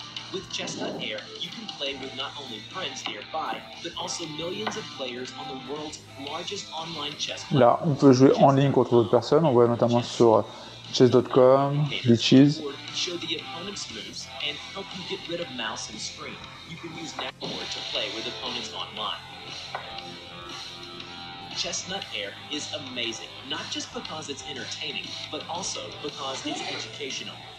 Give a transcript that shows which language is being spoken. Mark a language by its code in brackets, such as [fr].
[en] With Chessnut Air, you can play with not only friends nearby, but also millions of players on the world's largest online chess platform. [fr] Là, on peut jouer en ligne contre d'autres personnes. On voit notamment sur chess.com, Litchis. [en] Show the opponent's moves and help you get rid of mouse and screen. You can use Netboard to play with opponents online. Chessnut Air is amazing, not just because it's entertaining, but also because it's educational.